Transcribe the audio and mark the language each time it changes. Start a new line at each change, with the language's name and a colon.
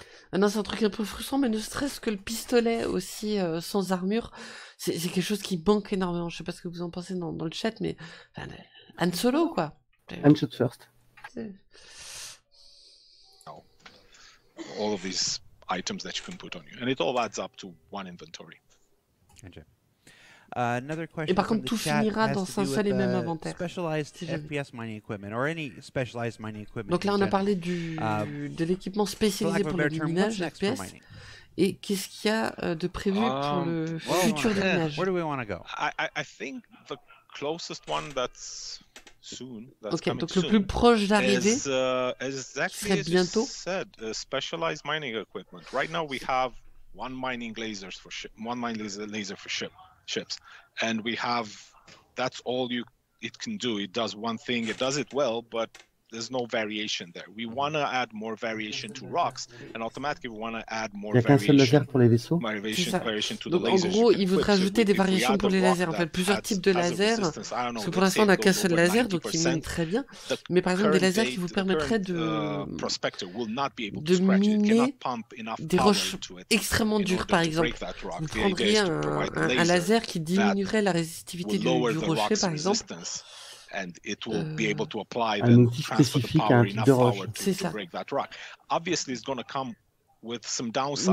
French: Ah non, c'est un truc un peu frustrant, mais ne serait-ce que le pistolet aussi, sans armure, c'est quelque chose qui manque énormément. Je sais pas ce que vous en pensez dans le chat, mais enfin, Han Solo, quoi.
English: Han Shot First. All of these items that you can put on you, and it all adds up to one inventory. Another question.
French: Et par contre, tout finira dans un seul et même inventaire.
English: Specialized FPS mining equipment or any specialized mining equipment.
French: Donc là, on a parlé de l'équipement spécialisé pour le minage FPS. Et qu'est-ce qu'il y a de prévu pour le futur déménage?
English: Where do we want to go? I think the closest one that's soon. That's
French: okay, donc
English: soon,
French: le plus proche d'arrivée,
English: exactly
French: qui serait bientôt.
English: Said, specialized mining equipment. Right now we have one mining lasers for ship, one mining laser for ships, and we have that's all you it can do. It does one thing. It does it well, but there's no variation there. We want to add more variation to rocks, and automatically we want to add more variation.
French: Il y a qu'un seul laser pour les vaisseaux.
English: Variation to
French: donc
English: the lasers
French: en gros, il voudrait ajouter des variations pour les lasers. En fait, plusieurs types de lasers. Parce que pour l'instant, on n'a qu'un seul laser, donc il mine très bien. Mais par exemple, des lasers qui vous permettraient de miner des roches extrêmement dures, par exemple. Vous prendriez un laser qui diminuerait la résistivité du rocher, par exemple.
English: And it will be able to apply the transfer the power enough power to break that rock. Obviously, it's going to come with some downsides.